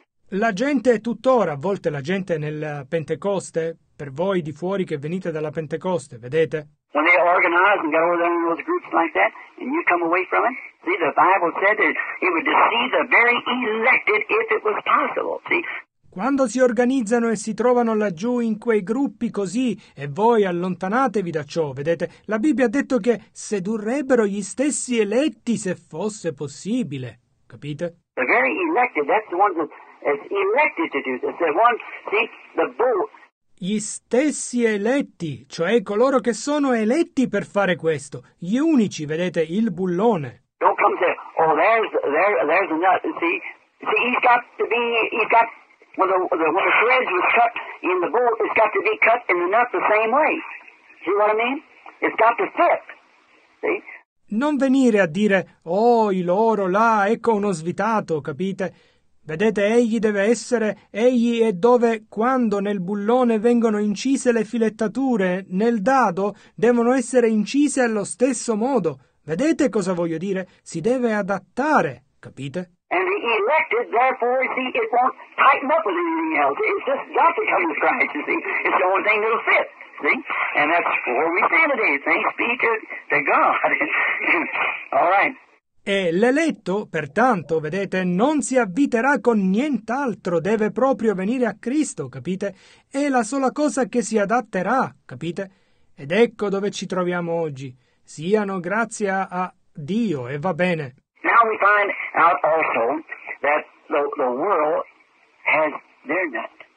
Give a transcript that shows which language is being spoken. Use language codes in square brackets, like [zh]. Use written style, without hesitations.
[it] La gente è tuttora, a volte la gente nel Pentecoste, per voi di fuori che venite dalla Pentecoste, vedete? [en] When they organize and go over there in those groups like that, and you come away from it, see, the Bible said that it would deceive the very elected if it was possible, see? [it] Quando si organizzano e si trovano laggiù in quei gruppi così e voi allontanatevi da ciò, vedete? La Bibbia ha detto che sedurrebbero gli stessi eletti se fosse possibile, capite? [en] The very elected, that's the one that's elected to do this. The one, see, the bull. [it] Gli stessi eletti, cioè coloro che sono eletti per fare questo, gli unici, vedete, il bullone. [en] Don't come say, oh, there's a nut, see, he's got to be, he's got, when the threads was cut in the bull, it's got to be cut in the nut the same way, see what I mean? It's got to fit, see? [it] Non venire a dire, oh, i loro là, ecco uno svitato, capite? Vedete, egli deve essere, egli è dove, quando nel bullone vengono incise le filettature, nel dado devono essere incise allo stesso modo. Vedete cosa voglio dire? Si deve adattare, capite? [en] And the elected, therefore, see, it won't tighten up with anything else. It's just got to come to Christ, you see. It's the only thing that'll fit, see? And that's where we stand today. Thanks be to God. All right. [it] E l'eletto, pertanto, vedete, non si avviterà con nient'altro, deve proprio venire a Cristo, capite? È la sola cosa che si adatterà, capite? Ed ecco dove ci troviamo oggi. Siano grazie a Dio e va bene. [en] Now we find out also that the world has their nut.